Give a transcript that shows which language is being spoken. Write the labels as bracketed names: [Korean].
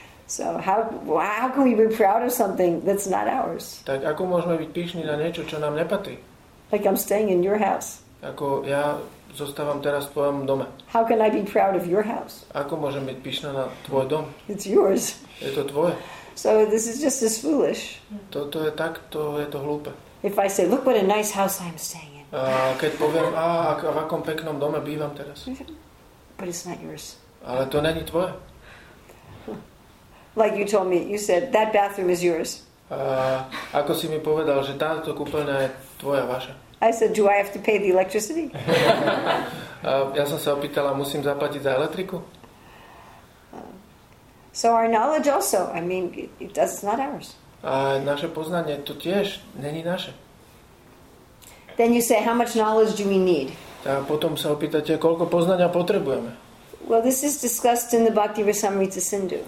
[English] So how can we be proud of something that's not ours? [Slovak] Tak ako môžeme byť pyšní na niečo, čo nám nepatrí? [English] Like I'm staying in your house. [Slovak] Ako ja zostávam teraz v tvojom dome. [English] How can I be proud of your house? [Slovak] Ako môžem byť pyšná na tvoj dom? [English] It's yours. [Slovak] Je to tvoje. [English] So this is just as foolish. [Slovak] Toto je tak, to je to hlúpe. [English] If I say, look what a nice house I'm staying in. [Slovak] A keď poviem, v akom peknom dome bývam teraz. [English] But it's not yours. [Slovak] Ale to není tvoje. [English] Like you told me, you said, that bathroom is yours. [Slovak] A ako si mi povedal, že táto kúpeľňa je tvoja, vaša. [English] I said, do I have to pay the electricity? [Slovak] Ja som sa opýtala, musím zaplatiť za elektriku? [English] So our knowledge also, I mean, it's not ours. [Slovak] A naše poznanie, to tiež není naše. [English] Then you say, how much knowledge do we need? [Slovak] A potom sa opýtate, koľko poznania potrebujeme? [English] Well, this is discussed in the Bhakti Rasamrita Sindhu.